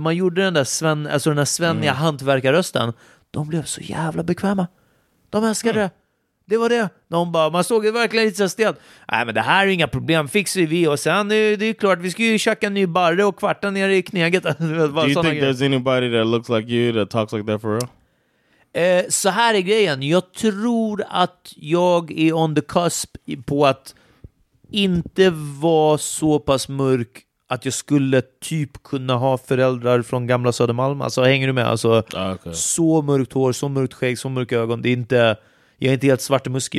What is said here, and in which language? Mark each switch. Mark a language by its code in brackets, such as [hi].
[sv] Man gjorde den där svenska hantverkarrösten. De blev så jävla bekväma. De älskade det. Det var det. De bara, man såg det verkligen lite så stelt. Nej, men det här är inga problem. Fixar vi. Och sen, det är klart, vi ska ju tjacka en ny barre och kvarta ner i knäget. [en] Do you think there's anybody that looks like you that talks like that for real? [sv] Så här är grejen. Jag tror att jag är [en] on the cusp [sv] på att inte vara så pass mörk att jag skulle typ kunna ha föräldrar från gamla Södermalm. Alltså, hänger du med? Alltså, okay. Så mörkt hår, så mörkt skägg, så mörka ögon. Det är inte, jag är inte helt svart muskel.